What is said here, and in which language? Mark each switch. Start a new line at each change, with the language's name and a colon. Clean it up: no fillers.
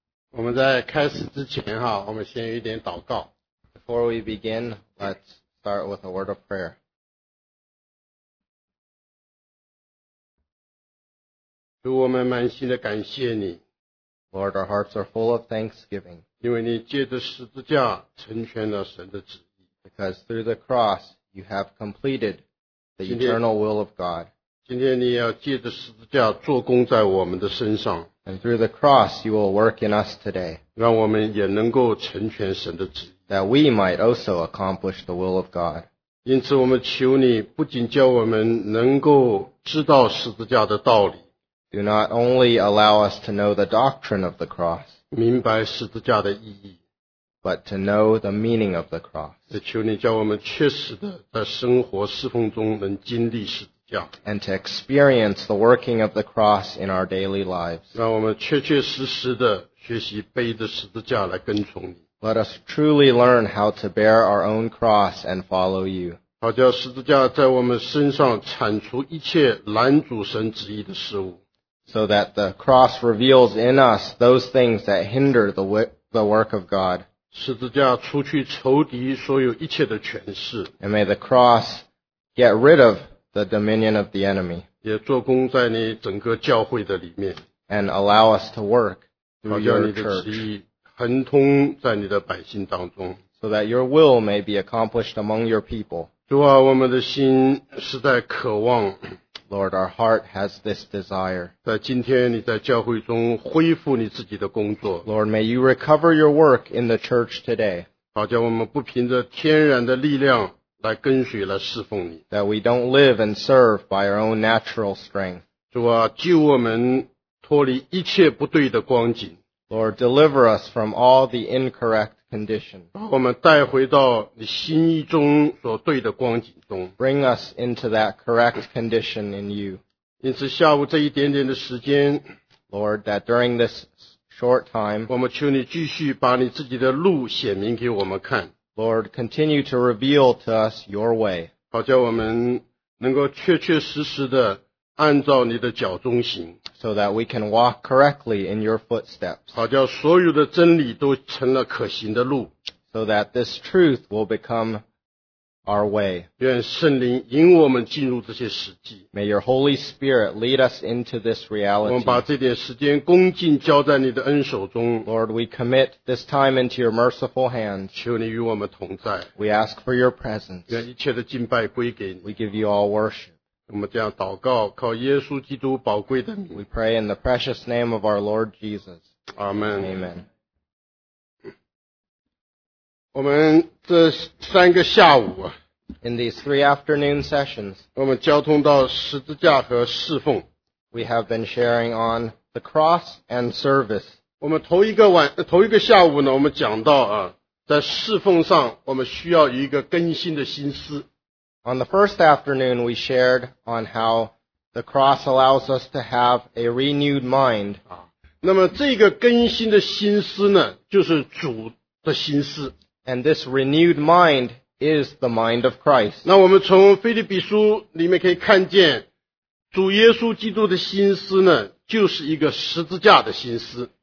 Chinese: 我们在开始之前哈，我们先有一点祷告。
English: Before we begin, let's start with a word of prayer.
Chinese: 主，我们满心的感谢你。
English: Lord, our hearts are full of thanksgiving.
Chinese: 因为你借着十字架成全了神的旨意。
English: Because through the cross, you have completed the eternal will of God.
Chinese: 今天你要借着十字架做工在我们的身上。
English: And through the cross, you will work in us today.
Chinese: 让我们也能够成全神的旨意。
English: That we might also accomplish the will of God.
Chinese: 因此我们求你不仅叫我们能够知道十字架的道理。
English: Do not only allow us to know the doctrine of the cross.
Chinese: 明白十字架的意义。
English: But to know the meaning of the cross.
Chinese: 也求你叫我们确实的在生活侍奉中能经历十字架。
English: And to experience the working of the cross in our daily lives.
Chinese: 让我们确确实实地学习背着十字架来跟从你。
English: Let us truly learn how to bear our own cross and follow you.
Chinese: 好叫十字架在我们身上铲除一切拦阻神旨意的事物。
English: So that the cross reveals in us those things that hinder the work of God.
Chinese: 十字架除去仇敌所有一切的权势。
English: And may the cross get rid of the dominion of the enemy,
Chinese: 也做工在你整个教会的里面,
English: and allow us to work through your church,
Chinese: 好叫你的旨意亨通在你的百姓当中,
English: so that your will may be accomplished among your people.
Chinese: 主啊, 我们的心实在渴望,
English: Lord, our heart has this desire,
Chinese: 在今天你在教会中恢复你自己的工作,
English: Lord, may you recover your work in the church today.
Chinese: 好叫我们不凭着天然的力量来跟随来侍奉你。
English: That we don't live and serve by our own natural strength.
Chinese: 主啊，救我们脱离一切不对的光景。
English: Lord, deliver us from all the incorrect condition.
Chinese: 把我们带回到你心意中所对的光景中。
English: Bring us into that correct condition in you.
Chinese: 因此下午这一点点的时间。
English: Lord, that during this short time,
Chinese: 我们求你继续把你自己的路显明给我们看。
English: Lord, continue to reveal to us your way.
Chinese: 好叫我们能够确确实实地按照你的脚中行。
English: So that we can walk correctly in your footsteps.
Chinese: 好叫所有的真理都成了可行的路。
English: So that this truth will become our way.
Chinese: 愿圣灵引我们进入这些实际。
English: May your Holy Spirit lead us into this reality.
Chinese: 我们把这点时间恭敬交在你的恩手中。
English: Lord, we commit this time into your merciful hands.
Chinese: 求你与我们同在。
English: We ask for your presence.
Chinese: 愿一切的敬拜归给你。
English: We give you all worship.
Chinese: 我们这样祷告，靠耶稣基督宝贵的名。
English: We pray in the precious name of our Lord Jesus. Amen. Amen.
Chinese: 我们这三个下午
English: In these three afternoon sessions,
Chinese: 我们交通到十字架和侍奉。
English: We have been sharing on the cross and service.
Chinese: 我们头一个下午呢，我们讲到啊，在侍奉上我们需要一个更新的心思。
English: On the first afternoon, we shared on how the cross allows us to have a renewed mind.
Chinese: 那么这个更新的心思呢，就是主的心思。
English: And this renewed mind is the mind of Christ.
Chinese: 那我们从腓立比书里面可以看见主耶稣基督的心思呢就是一个十字架的心思。